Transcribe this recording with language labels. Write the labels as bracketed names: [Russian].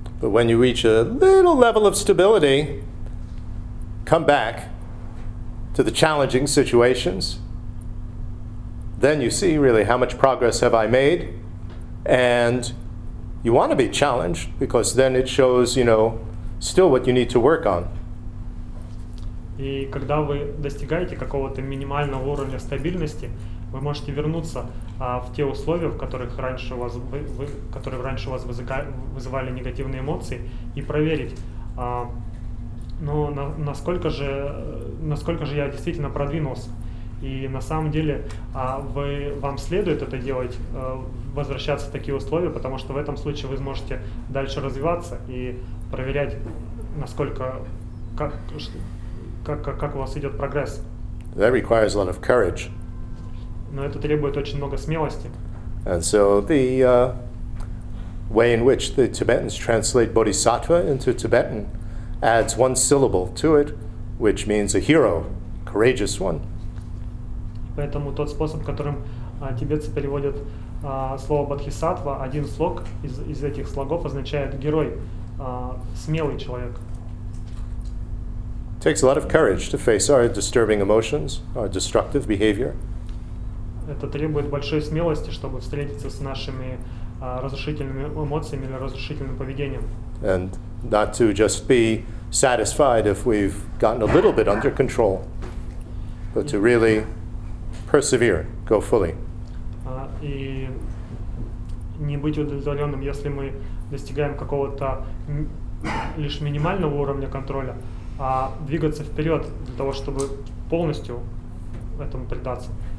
[English] But when you reach a little level of stability, come back to the challenging situations, then you see really how much progress have I made, and you want to be challenged because then it shows, you know, still what you need to work on. [Russian] И когда вы достигаете какого-то минимального уровня стабильности, вы можете вернуться в те условия, в которых раньше у вас которые раньше у вас вызывали негативные эмоции, и проверить, насколько же я действительно продвинулся. И на самом деле вам следует это делать, возвращаться в такие условия, потому что в этом случае вы сможете дальше развиваться и проверять, насколько как у вас идет прогресс. [English] That requires a lot of courage. [Russian] Но это требует очень много смелости. [English] And so the way in which the Tibetans translate Bodhisattva into Tibetan adds one syllable to it, which means a hero, courageous one. [Russian] Поэтому тот способ, которым тибетцы переводят слово Бодхисаттва, один слог из этих слогов означает герой, смелый человек. [English] Takes a lot of courage to face our disturbing emotions, our destructive behavior. [Russian] Это требует большой смелости, чтобы встретиться с нашими разрушительными эмоциями или разрушительным поведением. [English] And not to just be satisfied if we've gotten a little bit under control, but to really persevere, go fully. [Russian] И не быть удовлетворенным, если мы достигаем какого-то лишь минимального уровня контроля, а двигаться вперед для того, чтобы полностью этому предаться.